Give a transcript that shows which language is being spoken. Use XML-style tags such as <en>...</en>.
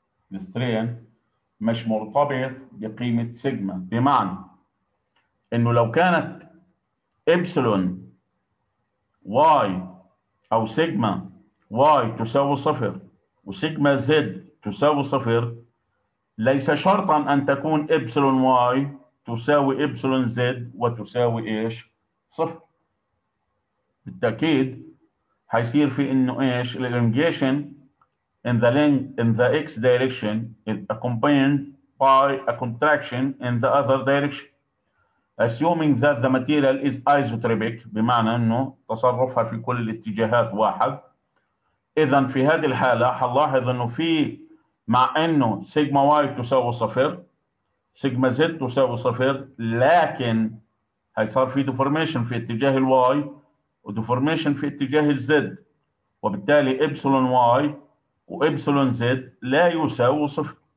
<ar>الاسترين مش مرتبط بقيمة سيجما، بمعنى انه لو كانت ابسلون واي او سيجما واي تساوي صفر وسيجما زد تساوي صفر، ليس شرطا ان تكون ابسلون واي تساوي ابسلون زد وتساوي ايش؟ صفر. بالتأكيد حيصير في انه ايش؟ الانجيشن</ar> <en>in the length in the x direction is accompanied by a contraction in the other direction assuming that the material is isotropic،</en> <ar>بمعنى انه تصرفها في كل الاتجاهات واحد. اذا في هذه الحالة حنلاحظ انه في، مع انه سيجما واي تساوي صفر سيجما زد تساوي صفر، لكن حيصير في deformation في اتجاه الواي وديفورميشن في اتجاه الزد، وبالتالي ايبسلون واي وايبسلون زد لا يساوي صفر.</ar>